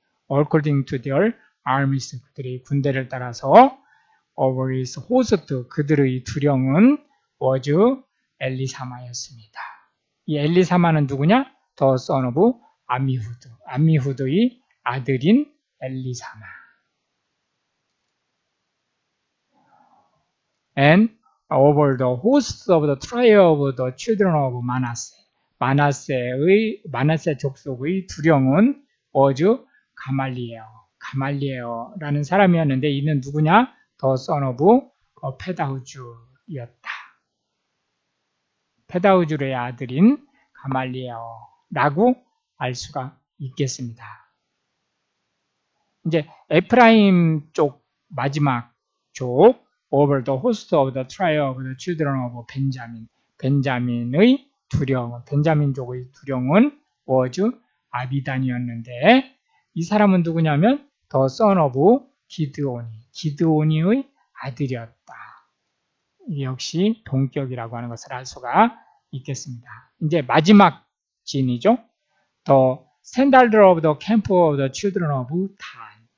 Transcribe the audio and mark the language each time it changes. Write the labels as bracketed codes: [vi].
[en] According to their armies, [ko] 그들의 군대를 따라서 [en] over his host, [ko] 그들의 두령은 [en] was Eliasab였습니다. [ko] 이 엘리사마는 누구냐? [en] The son of [ko] 아미후드. 아미후드의 아들인 엘리사마. [en] And over the host of the tribe of the children of Manasseh. [ko] 마나세 족속의 두령은 어주 가말리에어. 가말리에어라는 사람이었는데 이는 누구냐? [en] The son of Pedahzur이었다. [ko] 페다우주의 아들인 가말리에어라고 알 수가 있겠습니다. 이제 에프라임 쪽 마지막 족 [en] Over the host of the tribe of the children of Benjamin. [ko] 벤자민의 두령, 벤자민족의 두령은 was Abidan이었는데 이 사람은 누구냐면 [en] The son of Gideon. [ko] 기드온이의 아들이었다. 역시 동격이라고 하는 것을 알 수가 있겠습니다. 이제 마지막 진이죠. [en] The standard of the camp of the children of Dan.